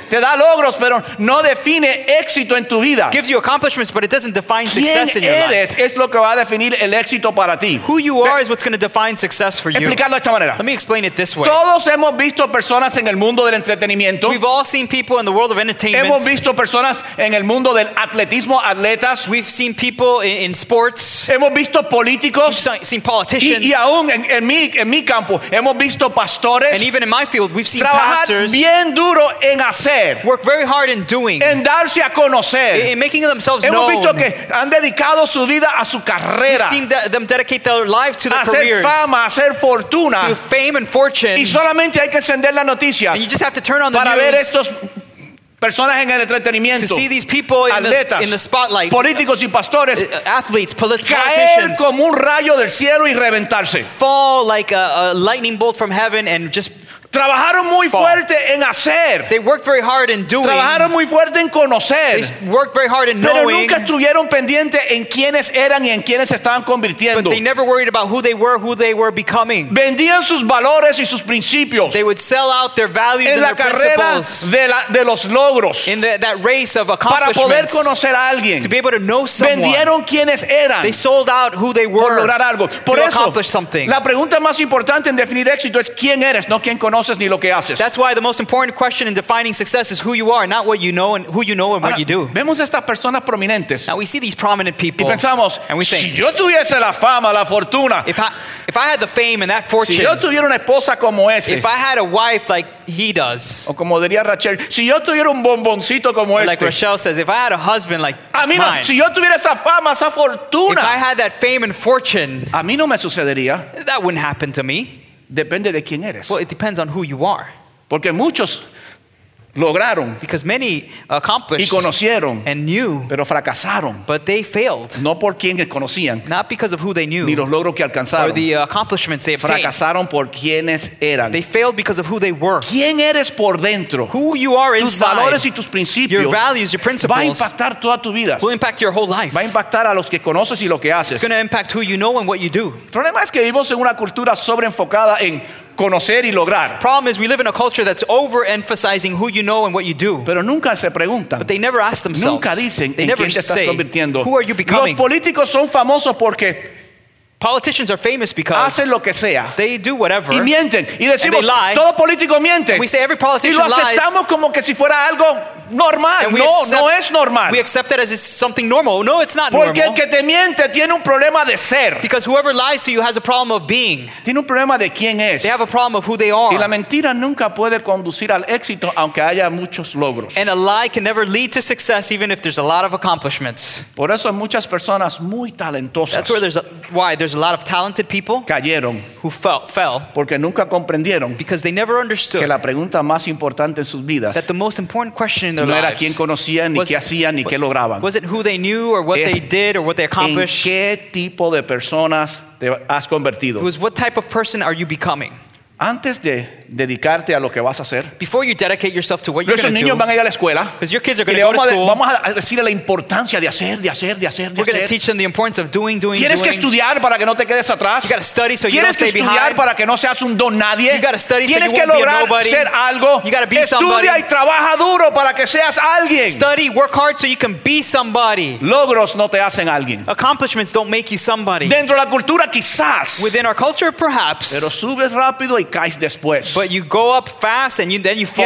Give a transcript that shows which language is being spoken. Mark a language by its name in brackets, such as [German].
[Spanish] te da logros, pero no define éxito en tu vida. [English] Gives you accomplishments, but it doesn't define success in your life. [Spanish] ¿Quién eres? Es lo que va a definir el éxito para ti. [English] Who you are is what's going to define success for you. [Spanish] Explicarlo de esta manera. [English] Let me explain it this way. [Spanish] Todos hemos visto personas en el mundo del entretenimiento. [English] We've all seen people in the world of entertainment. [Spanish] Hemos visto personas en el mundo del atletismo, atletas. [English] We've seen people in sports. [Spanish] Hemos visto políticos. [English] We've seen politicians. [Spanish] Y aún en mi campo hemos visto pastores. [English] And even in my field we've seen [Spanish] trabajar [English] pastors [Spanish] bien duro en hacer. [English] Work very hard in doing. [Spanish] En darse a conocer. [English] In making themselves [Spanish] hemos Hemos visto que han dedicado su vida a su carrera. [English] We've seen them dedicate their lives to their [Spanish] hacer [English] careers. [Spanish] Fama, hacer fortuna. [English] To fame and fortune. [Spanish] Y solamente hay que encender las noticias [English] and you just have to turn on the [Spanish] para [English] news [Spanish] ver estos personas en el entretenimiento, [English] to see these people in, [Spanish] atletas, [English] the, in the spotlight, [Spanish] políticos y pastores, [English] athletes, politicians, [Spanish] caer como un rayo del cielo y reventarse, [English] fall like a lightning bolt from heaven and just [Spanish] trabajaron muy [English] fall. [Spanish] Fuerte en hacer. [English] They worked very hard in doing. [Spanish] Trabajaron muy fuerte en conocer. [English] They worked very hard in [Spanish] pero [English] knowing. [Spanish] Pero nunca estuvieron pendientes en quiénes eran y en quiénes estaban convirtiendo. [English] But they never worried about who they were becoming. [Spanish] Vendían sus valores y sus principios. [English] They would sell out their values [Spanish] en la [English] their [Spanish] carrera [English] principles [Spanish] de los logros. [English] In the, that race of accomplishments. [Spanish] Para poder conocer a alguien. [English] To be able to know someone. [Spanish] Vendieron quiénes eran. [English] They sold out who they were. [Spanish] Por lograr algo. Por [English] to [Spanish] eso, [English] accomplish something. [Spanish] La pregunta más importante en definir éxito es quién eres, no quién conoces. [English] That's why the most important question in defining success is who you are, not what you know and who you know and what you do. [Spanish] Vemos estas personas prominentes. [English] Now we see these prominent people. [Spanish] Y pensamos, [English] and we think, [Spanish] si yo tuviese la fama, la fortuna, [English] if I had the fame and that fortune, [Spanish] si yo tuviera una esposa como ese, [English] if I had a wife like he does, [Spanish] o como diría Rachel, si yo tuviera un bomboncito como este, [English] like Rachel says, if I had a husband like [Spanish] a mí no, [English] mine, [Spanish] si yo tuviera esa fama, esa fortuna, [English] if I had that fame and fortune, [Spanish] a mí no me sucedería. [English] That wouldn't happen to me. [Spanish] Depende de quién eres. [English] Well, it depends on who you are. [Spanish] Porque muchos lograron. [English] Because many accomplished. [Spanish] Y conocieron. [English] And knew. [Spanish] Pero fracasaron. [English] But they failed. [Spanish] No por quién conocían. [English] Not because of who they knew. [Spanish] Ni los logros que alcanzaron. [English] Or the accomplishments they obtained. [Spanish] Fracasaron por quiénes eran. [English] They failed because of who they were. [Spanish] ¿Quién eres por dentro? [English] Who you are inside. [Spanish] Tus valores y tus principios. [English] Your values, your principles. [Spanish] Va a impactar toda tu vida. [English] Will impact your whole life. [Spanish] Va a impactar a los que conoces y lo que haces. [English] It's going to impact who you know and what you do. [Spanish] El problema es que vivimos en una cultura sobreenfocada en conocer y lograr. [English] Problem is, we live in a culture that's overemphasizing who you know and what you do. [Spanish] Pero nunca se preguntan. [English] But they never ask themselves. [Spanish] Nunca dicen [English] they [Spanish] en [English] never [Spanish] quién te estás [English] say, [Spanish] convirtiendo. [English] Who are you becoming? [Spanish] Los políticos son famosos porque [English] Politicians are famous because [Spanish] hacen lo que sea. [English] They do whatever. [Spanish] Y mienten. Y decimos, [English] and they lie. [Spanish] Todo político miente. [English] And we say every politician lies. [Spanish] Y lo aceptamos como que si fuera algo normal. No, [English] accept, [Spanish] no es normal. [English] We accept it as it's something normal. No, it's not [Spanish] porque [English] normal. [Spanish] Porque el que te miente tiene un problema de ser. [English] Because whoever lies to you has a problem of being. [Spanish] Tiene un problema de quién es. [English] They have a problem of who they are. [Spanish] Y la mentira nunca puede conducir al éxito aunque haya muchos logros. [English] And a lie can never lead to success even if there's a lot of accomplishments. [Spanish] Por eso muchas personas muy talentosas. [English] That's where there's a lot of talented people [Spanish] cayeron [English] who fell [Spanish] porque nunca comprendieron [English] because they never understood [Spanish] que la pregunta más importante en sus vidas [English] that the most important question in their [Spanish] no [English] lives [Spanish] era quién conocían, ni qué hacían, ni qué lograban. [English] Was it who they knew or what they did or what they accomplished? [Spanish] ¿En qué tipo de personas te has convertido? [English] It was what type of person are you becoming? [Spanish] Antes de dedicarte a lo que vas a hacer, [English] before you dedicate yourself to what you're going to do, [Spanish] niños van a ir a la escuela, [English] because your kids are going to go to school, [Spanish] vamos a decirle la importancia de hacer, de hacer, de hacer, [English] we're going to teach them the importance of doing, doing, [Spanish] tienes [English] doing. [Spanish] Que estudiar para que no te quedes atrás. [English] You got to study so [Spanish] tienes [English] you don't stay behind. [Spanish] Tienes que estudiar para que no seas un don nadie. [English] You got to study [Spanish] tienes [English] so you won't be a nobody. [Spanish] Tienes que lograr ser algo. [English] You got to be [Spanish] estudia [English] somebody. [Spanish] Estudia y trabaja duro para que seas alguien. [English] Study, work hard so you can be somebody. [Spanish] Logros no te hacen alguien. [English] Accomplishments don't make you somebody. [Spanish] Dentro de la cultura quizás. [English] Within our culture perhaps. [Spanish] Pero subes rápido y caes después. [English] But you go up fast and then you fall.